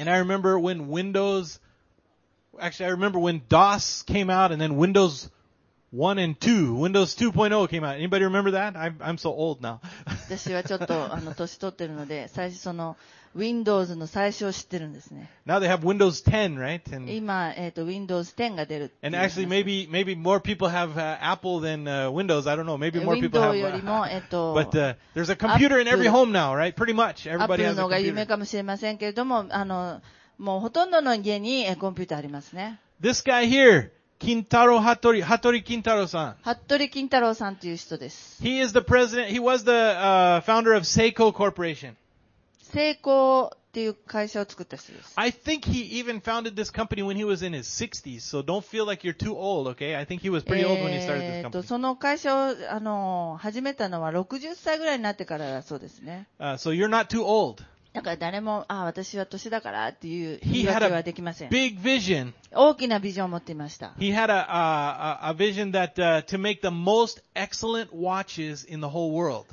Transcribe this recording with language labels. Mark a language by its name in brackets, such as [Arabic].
[English] And I remember when Windows, actually I remember when DOS came out and then Windows 1 and 2, Windows 2.0 came out. Anybody remember that? I'm so old now. [Japanese] 私はちょっと年取ってるので、最初その Windows の最初を知ってるんですね。 [English] Now they have Windows 10, right? [Japanese] And 今、Windows 10が出る。 [English] And actually maybe more people have Apple than Windows. I don't know. Maybe more people have Windows But there's a computer in every home now, right? Pretty much. Everybody has a computer. [Japanese] Apple の方が夢かもしれませんけれども、もうほとんどの家にコンピューターありますね。 [English] This guy here. [Japanese] 金太郎、ハットリ金太郎さん。ハットリ金太郎さんという人です。 [English] He is the president, he was the founder of Seiko Corporation. [Japanese] Seiko っていう会社を作った人です。 [English] I think he even founded this company when he was in his 60s, so don't feel like you're too old, okay? I think he was pretty old when he started this company. [Japanese] その会社を始めたのは60歳ぐらいになってからだそうですね。 [English] So you're not too old. [Japanese] だから誰も、私は年だからっていう言い訳はできません。 [English] Big vision. [Japanese] 大きなビジョンを持っていました。 [English] He had a vision that, to make the most excellent watches in the whole world.